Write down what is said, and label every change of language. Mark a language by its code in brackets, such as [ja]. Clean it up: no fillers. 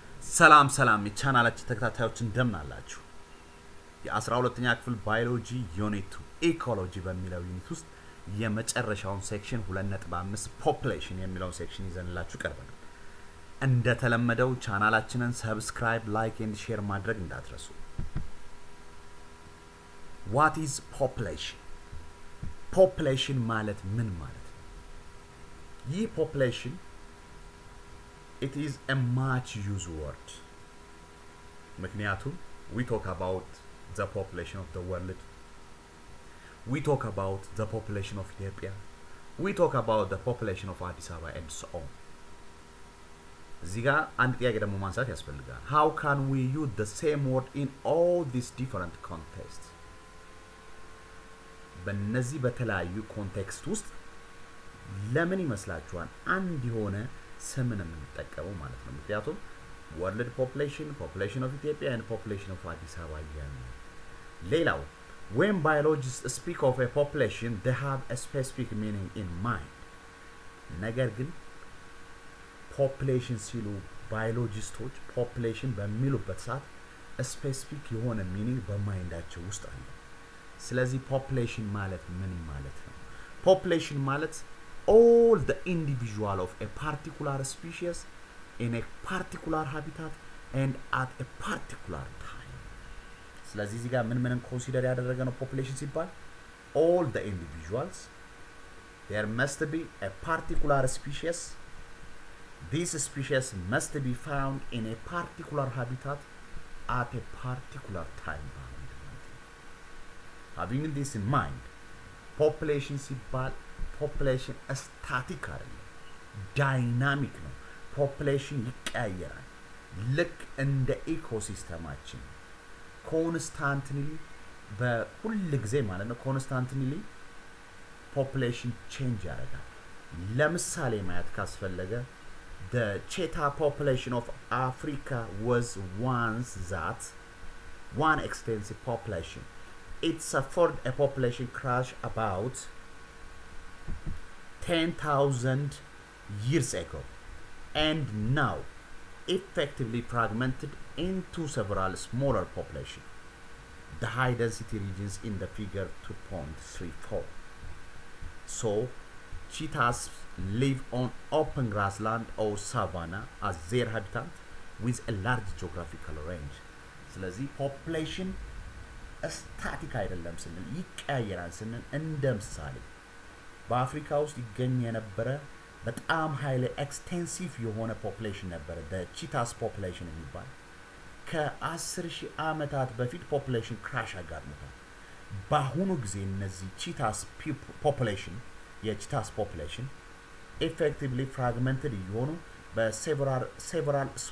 [am] ሰላም ሰላም የቻናላችን ተከታታዮች እንደምን አላችሁ? የ12ኛ ክፍል ባዮሎጂ ዩኒት 2 ኢኮሎጂ በሚለው ዩኒት ውስጥ የመጨረሻውን ሴክሽን 2.5 ፖፕሌሽን የሚለውን ሴክሽን ይዘንላችሁ ቀርበናል። እንደ ተለመደው ቻናላችንን ሰብስክራይብ፣ ላይክ ኤንድ ሼር ማድረግ እንዳትረሱ። [en] What is population? [am] Population ማለት ምን ማለት ነው? ይህ [en] population it is a much used word. [am] ምክንያቱም [en] we talk about the population of the world. We talk about the population of Ethiopia. We talk about the population of Addis Ababa and so on. [am] ዚጋ አንድ ጥያቄ ደግሞ ማንሳት ያስፈልጋል። [en] How can we use the same word in all these different contexts? [am] በነዚህ በተለያዩ ኮንቴክስት ውስጥ ለምን ይመስላችኋል አንድ የሆነ ስምን እንጠቀመው ማለት ነው? ምክንያቱም [en] world population, population of Ethiopia and population of Addis Ababa. [am] ሌላው [en] when biologists speak of a population they have a specific meaning in mind. [am] ነገር ግን population ሲሉ ባዮሎጂስቶች population በሚሉበት ሰዓት specific የሆነ meaning በማይንዳቸው ውስጥ አለ። ስለዚህ population ማለት ምን ማለት ነው? [en] population [am] ማለት [en] all the individual of a particular species in a particular habitat and at a particular time. [am] ስለዚህ እዚህ ጋር ምን ምንን consider ያደረገ ነው population ሲባል? [en] all the individuals there must be a particular species. This species must be found in a particular habitat at a particular time. Having this in mind, population [am] ሲባል [en] population static [am] አይደለም, [en] dynamic ነው. [am] Population ይቀያየራል. [en] Look in the ecosystemachin. [am] Constantly በሁሉ ጊዜ ማለት ነው constantly population change ያደርጋል. ለምሳሌ ማየት ካስፈለገ [en] the cheetah population of Africa was once that one extensive population. It suffered a population crash about 10,000 years ago and now effectively fragmented into several smaller populations. The high density regions in the figure 2.34. So cheetahs live on open grassland or savanna as their habitat with a large geographical range. [am] ስለዚህ population static አይደለም ስንል ይቀያየራል ስንል እንደምሳሌ በአፍሪካ ውስጥ ይገኝ የነበረ በጣም highly extensive የሆነ population ነበረ [en] the cheetahs population [am] የሚባል ከአስር ሺህ አመታት በፊት population crash አጋጥሞታል። በአሁኑ ጊዜ እነዚህ cheetahs population የcheetahs population [en] effectively fragmented [am] ይሆኑ በseveral